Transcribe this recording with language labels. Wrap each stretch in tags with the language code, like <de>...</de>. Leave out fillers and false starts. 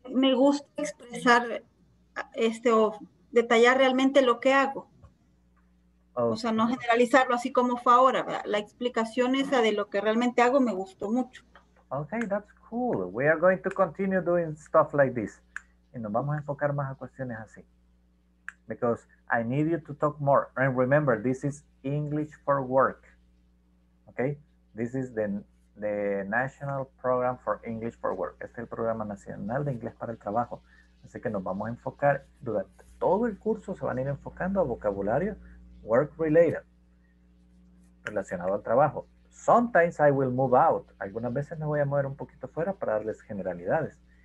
<es>Me gusta expresar o detallar realmente lo que hago. Okay. O sea, no generalizarlo así como fue ahora, ¿verdad? La explicación esa de lo que realmente hago me gustó mucho.</es> <en>Okay, that's cool. We are going to continue doing stuff like this.</en> <es>Y nos vamos a enfocar más a cuestiones así.</es> <en>Because I need you to talk more. And remember, this is English for Work. Okay? This is the National Program for English for Work.</en> <es>Este es el Programa Nacional de Inglés para el Trabajo. Así que nos vamos a enfocar durante todo el curso. Se van a ir enfocando a vocabulario work-related, relacionado al trabajo.</es> <en>Sometimes I will move out.</en> <es>Algunas veces me voy a mover un poquito fuera para darles generalidades.</es>